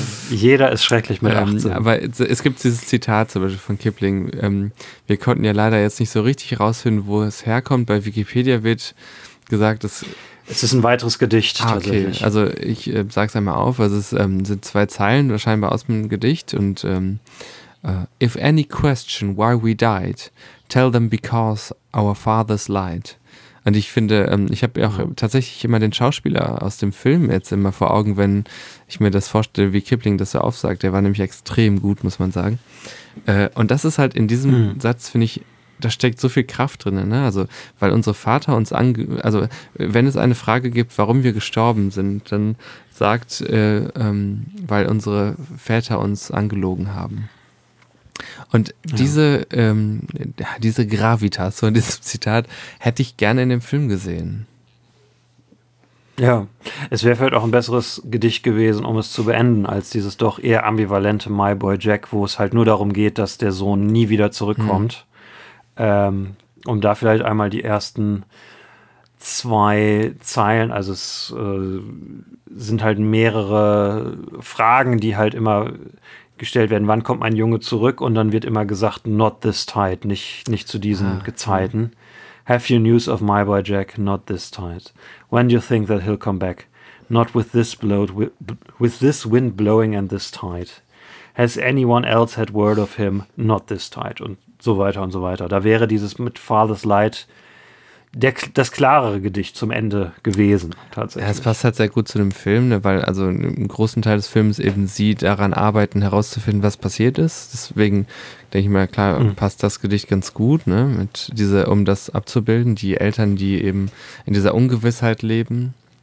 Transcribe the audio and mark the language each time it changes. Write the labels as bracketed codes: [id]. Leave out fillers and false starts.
[de] Jeder ist schrecklich mit 18. Aber es gibt dieses Zitat zum Beispiel von Kipling. Wir konnten ja leider jetzt nicht so richtig rausfinden, wo es herkommt. Bei Wikipedia wird gesagt, dass... Es ist ein weiteres Gedicht, tatsächlich. Okay. Also ich sag's einmal auf. Also es sind zwei Zeilen, scheinbar aus dem Gedicht. [en] Und if any question why we died, tell them because our fathers lied. [de] Und ich finde, ich habe auch tatsächlich immer den Schauspieler aus dem Film jetzt immer vor Augen, wenn ich mir das vorstelle, wie Kipling das so aufsagt. Der war nämlich extrem gut, muss man sagen. Und das ist halt in diesem Satz, finde ich, da steckt so viel Kraft drin, ne? Also, weil unsere Vater uns also wenn es eine Frage gibt, warum wir gestorben sind, dann sagt, weil unsere Väter uns angelogen haben. Und diese, ja. Diese Gravitas, so in diesem Zitat, hätte ich gerne in dem Film gesehen. Ja, es wäre vielleicht auch ein besseres Gedicht gewesen, um es zu beenden, als dieses doch eher ambivalente My Boy Jack, wo es halt nur darum geht, dass der Sohn nie wieder zurückkommt. Um da vielleicht einmal die ersten zwei Zeilen, also es sind halt mehrere Fragen, die halt immer gestellt werden, wann kommt mein Junge zurück? Und dann wird immer gesagt, [en] not this tide, [de] nicht zu diesen Gezeiten. [en] Have you news of my boy Jack? Not this tide. When do you think that he'll come back? Not with this blow, with this wind blowing and this tide. Has anyone else had word of him? Not this tide. [de] Und so weiter und so weiter. Da wäre dieses mit Father's Light das klarere Gedicht zum Ende gewesen, tatsächlich. Ja, es passt halt sehr gut zu dem Film, ne, weil also im großen Teil des Films eben sie daran arbeiten, herauszufinden, was passiert ist. Deswegen denke ich mal, klar, passt das Gedicht ganz gut, ne, mit dieser, um das abzubilden, die Eltern, die eben in dieser Ungewissheit leben.